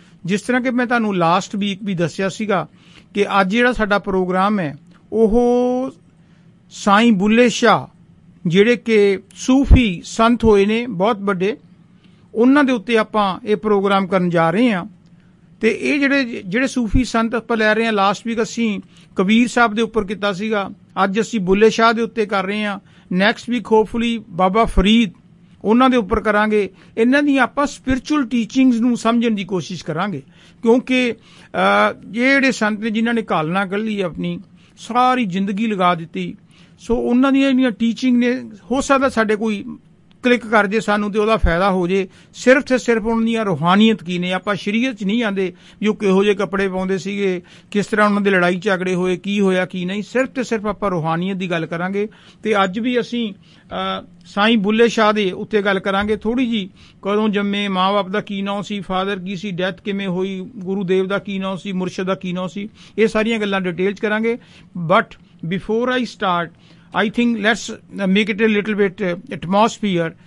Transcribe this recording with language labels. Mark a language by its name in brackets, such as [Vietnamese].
[Punjabi] Jis tarah ke main tuhanu last week bhi dassya siga ke ajj jehda sada program hai, oh Sai Bulle Shah, ਜਿਹੜੇ ਕਿ ਸੂਫੀ ਸੰਤ ਹੋਏ ਨੇ ਬਹੁਤ ਵੱਡੇ, ਉਹਨਾਂ ਦੇ ਉੱਤੇ ਆਪਾਂ ਇਹ ਪ੍ਰੋਗਰਾਮ ਕਰਨ ਜਾ ਰਹੇ ਹਾਂ। ਅਤੇ ਇਹ ਜਿਹੜੇ ਸੂਫੀ ਸੰਤ ਆਪਾਂ ਲੈ ਰਹੇ ਹਾਂ, ਲਾਸਟ ਵੀਕ ਅਸੀਂ ਕਬੀਰ ਸਾਹਿਬ ਦੇ ਉੱਪਰ ਕੀਤਾ ਸੀਗਾ, ਅੱਜ ਅਸੀਂ ਬੁੱਲੇ ਸ਼ਾਹ ਦੇ ਉੱਤੇ ਕਰ ਰਹੇ ਹਾਂ, [English] next week hopefully [Punjabi] Baba Farid, ਉਹਨਾਂ ਦੇ ਉੱਪਰ ਕਰਾਂਗੇ। ਇਹਨਾਂ ਦੀਆਂ ਆਪਾਂ [English] spiritual teachings [Punjabi] ਨੂੰ ਸਮਝਣ ਦੀ ਕੋਸ਼ਿਸ਼ ਕਰਾਂਗੇ, ਕਿਉਂਕਿ ਜਿਹੜੇ ਸੰਤ ਨੇ ਜਿਨ੍ਹਾਂ ਨੇ ਕਾਲਨਾ ਕੱਢੀ, ਆਪਣੀ ਸਾਰੀ ਜ਼ਿੰਦਗੀ ਲਗਾ ਦਿੱਤੀ, ਸੋ ਉਹਨਾਂ ਦੀਆਂ ਜਿਹੜੀਆਂ ਟੀਚਿੰਗ ਨੇ, ਹੋ ਸਕਦਾ ਸਾਡੇ ਕੋਈ ਕਲਿੱਕ ਕਰ ਜੇ ਸਾਨੂੰ ਅਤੇ ਉਹਦਾ ਫਾਇਦਾ ਹੋ ਜੇ। ਸਿਰਫ ਅਤੇ ਸਿਰਫ ਉਹਨਾਂ ਦੀਆਂ ਰੂਹਾਨੀਅਤ ਕੀ ਨੇ, ਆਪਾਂ ਸ਼ਰੀਅਤ 'ਚ ਨਹੀਂ ਆਉਂਦੇ ਵੀ ਉਹ ਕਿਹੋ ਜਿਹੇ ਕੱਪੜੇ ਪਾਉਂਦੇ ਸੀਗੇ, ਕਿਸ ਤਰ੍ਹਾਂ ਉਹਨਾਂ ਦੇ ਲੜਾਈ ਝਗੜੇ ਹੋਏ, ਕੀ ਹੋਇਆ ਕੀ ਨਹੀਂ, ਸਿਰਫ ਅਤੇ ਸਿਰਫ ਆਪਾਂ ਰੂਹਾਨੀਅਤ ਦੀ ਗੱਲ ਕਰਾਂਗੇ। ਅਤੇ ਅੱਜ ਵੀ ਅਸੀਂ ਸਾਈਂ ਬੁੱਲੇ ਸ਼ਾਹ ਦੇ ਉੱਤੇ ਗੱਲ ਕਰਾਂਗੇ ਥੋੜ੍ਹੀ ਜਿਹੀ, ਕਦੋਂ ਜੰਮੇ, ਮਾਂ ਬਾਪ ਦਾ ਕੀ ਨਾਂ ਸੀ, ਫਾਦਰ ਕੀ ਸੀ, ਡੈਥ ਕਿਵੇਂ ਹੋਈ, ਗੁਰੂ ਦੇਵ ਦਾ ਕੀ ਨਾਂ ਸੀ, ਮੁਰਸ਼ਦ ਦਾ ਕੀ ਨਾਂ ਸੀ, ਇਹ ਸਾਰੀਆਂ ਗੱਲਾਂ ਡਿਟੇਲ 'ਚ ਕਰਾਂਗੇ। [English] But before I start, I think let's make it a little bit atmosphere.